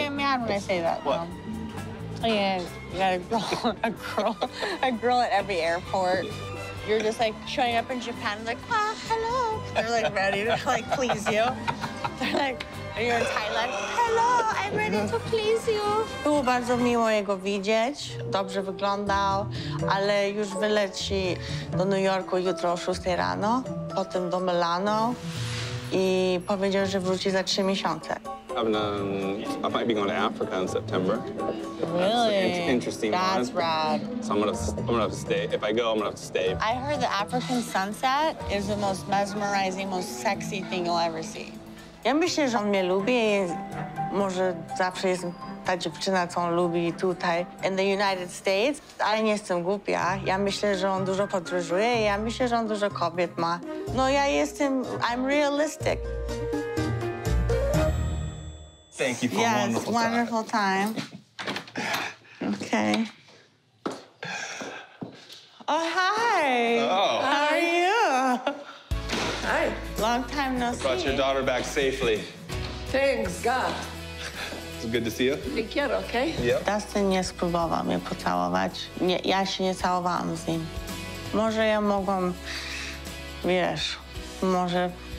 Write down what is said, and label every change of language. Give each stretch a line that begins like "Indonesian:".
English: You get mad when I say that. What? Though. Yeah, you got a girl at every airport. You're just like showing up in Japan, like, ah, hello. They're like ready to like please you. They're like, are you in Thailand? Hello, I'm ready to please you.
Polish: Było bardzo miło jego widzieć. Dobrze wyglądał, ale już wyleci do New Yorku jutro o 6 rano, potem do Milano i powiedział, że wróci za 3 miesiące.
English: I might be going to Africa in September. Really? That's interesting. That's rad. So I'm gonna have to stay. If I go, I'm gonna have to stay. I heard the African sunset is the most mesmerizing, most sexy thing you'll ever see.
Polish: Ja myślę, że on mnie lubi i może zawsze jest ta dziewczyna, co on lubi tutaj
English: in the United States.
Polish: Ale nie jestem głupia. Ja myślę, że on dużo podróżuje i ja myślę, że on dużo kobiet ma. No ja jestem,
English: I'm realistic. Thank you for a wonderful time. Yes, wonderful time. Okay. Oh, hi. Oh. How are you? Hi. Long time no see. Brought your daughter back safely. Thanks, God. It's good to see you. Take care, okay? Yep.
Polish: Dustin nie spróbował mnie pocałować. Nie, ja się nie całowałam z nim. Może ja mogłam, wiesz, może...